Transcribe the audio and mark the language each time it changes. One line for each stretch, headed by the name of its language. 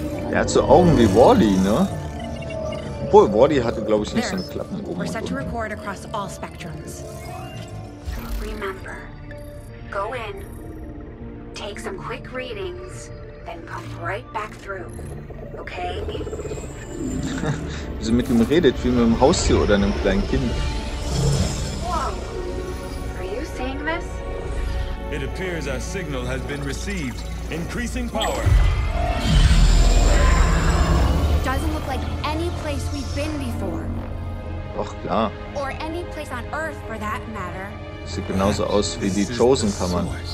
German: Er hat so Augen wie Wally, ne? Obwohl, Wally hatte, glaube ich, nicht so eine Klappe oben.
English: We're set to record across all spectrums. Remember, go in, take some quick readings, then come right back through. Okay?
German: Wie sie mit ihm redet, wie mit einem Haustier oder einem kleinen Kind.
English: Wow, are you seeing this? It appears our signal has been received. Increasing power. Doesn't look like any place we've been before.
German: Ach klar.
English: Or any place on Earth for that matter.
German: Sieht genauso aus wie die Chosen Kammern.